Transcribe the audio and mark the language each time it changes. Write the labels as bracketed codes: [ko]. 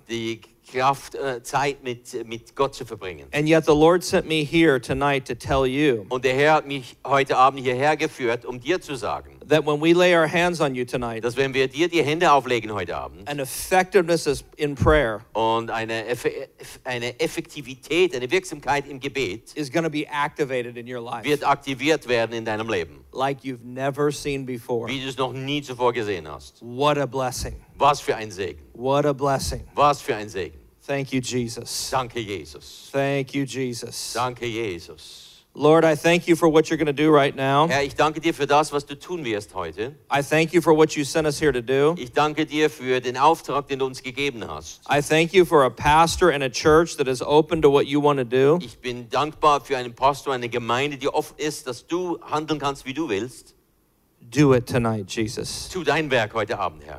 [de] Die Kraft, Zeit mit Gott zu verbringen. [en] And yet the Lord sent me here tonight to tell you. [de] Und der Herr hat mich heute Abend hierher geführt, um dir zu sagen. [en] That when we lay our hands on you tonight, [de] dass wenn wir dir die Hände auflegen heute Abend, [en] an effectiveness is in prayer, [de] und eine Effektivität, eine Wirksamkeit im Gebet, [en] is going to be activated in your life, [de] wird aktiviert werden in deinem Leben, [en] like you've never seen before, [de] wie du es noch nie zuvor gesehen hast. [en] What a blessing! [de] Was für ein Segen! [en] What a blessing! [de] Was für ein Segen! [en] Thank you, Jesus. [de] Danke, Jesus. [en] Thank you, Jesus. [de] Danke, Jesus. [en] Lord, I thank you for what you're going to do right now. [de] Herr, ich danke dir für das, was du tun wirst heute. [en] I thank you for what you sent us here to do. [de] Ich danke dir für den Auftrag, den du uns gegeben hast. [en] I thank you for a pastor and a church that is open to what you want to do. [de] Ich bin dankbar für einen Pastor, eine Gemeinde, die offen ist, dass du handeln kannst, wie du willst. [en] Do it tonight, Jesus. [de] Tu dein Werk heute Abend, Herr.